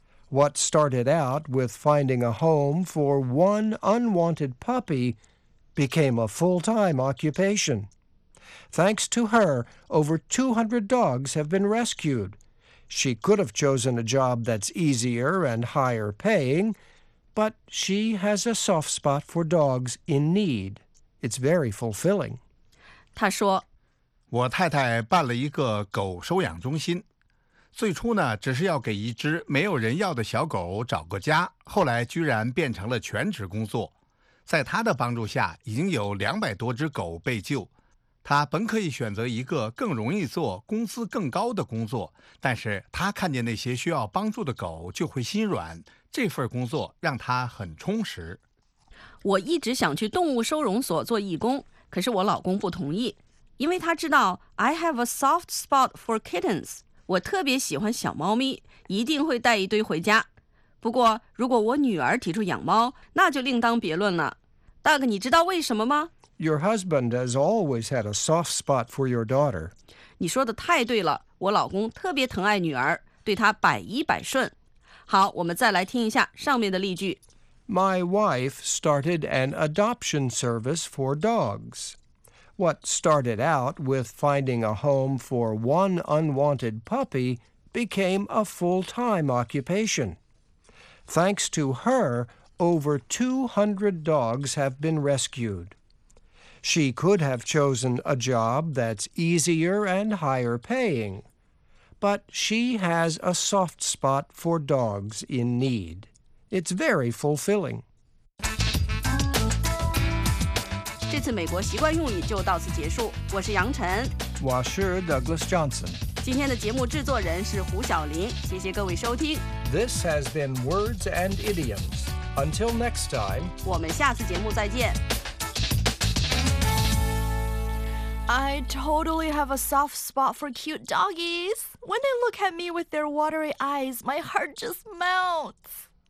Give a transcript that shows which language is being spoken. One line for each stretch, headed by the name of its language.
English: What started out with finding a home for one unwanted puppy became a full-time occupation. Thanks to her, over 200 dogs have been rescued. She could have chosen a job that's easier and higher paying, but she has a soft spot for dogs in need. It's very fulfilling.
Chinese: 她说，我太太办了一个狗收养中心。最初呢，只是要给一只没有人要的小狗找个家，后来居然变成了全职工作。在她的帮助下，已经有200多只狗被救。他本可以选择一个更容易做、工资更高的工作，但是他看见那些需要帮助的狗就会心软，这份工作让他很充实。我一直想去动物收容所做义工，可是我老公不同意，因为他知道
English: I have a soft spot for kittens，
Chinese: 我特别喜欢小猫咪，一定会带一堆回家。不过，如果我女儿提出养猫，那就另当别论了。 Doug， 你知道为什么吗？
English: Your husband has always had a soft spot for your daughter.
Chinese: 你说的太对了，我老公特别疼爱女儿，对她百依百顺。好，我们再来听一下上面的例句。
English: My wife started an adoption service for dogs. What started out with finding a home for one unwanted puppy became a full-time occupation. Thanks to her, over 200 dogs have been rescued. She could have chosen a job that's easier and higher paying, but she has a soft spot for dogs in need. It's very fulfilling.
Chinese: 这次美国习惯用语就到此结束。我是杨晨，我是 Douglas Johnson。今天的节目制作人是胡晓林。谢谢各位收听。
English: This has been Words and Idioms. Until next time.
Chinese: 我们下次节目再见。
English: I totally have a soft spot for cute doggies. When they look at me with their watery eyes, my heart just melts.